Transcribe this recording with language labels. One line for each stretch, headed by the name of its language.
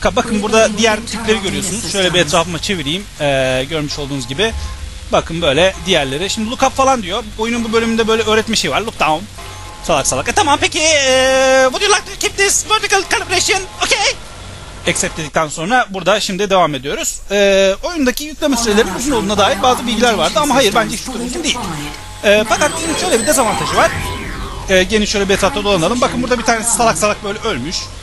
Turkish: Bakın burada diğer tipleri görüyorsunuz. Şöyle bir etrafıma çevireyim. Görmüş olduğunuz gibi. Bakın böyle diğerleri. Şimdi
English: look up
Turkish: falan diyor. Oyunun bu bölümünde böyle öğretme şeyi var.
English: Look down.
Turkish: Salak salak. Tamam peki.
English: Would you like to keep this vertical calibration? Okay.
Turkish: Accept dedikten sonra burada şimdi devam ediyoruz. Oyundaki yükleme sürelerinin uzun olduğuna dair bazı bilgiler vardı. Ama hayır bence hiç mümkün değil. Fakat şöyle bir dezavantajı var. Gene şöyle bir etrafta dolanalım. Bakın burada bir tanesi salak salak böyle ölmüş.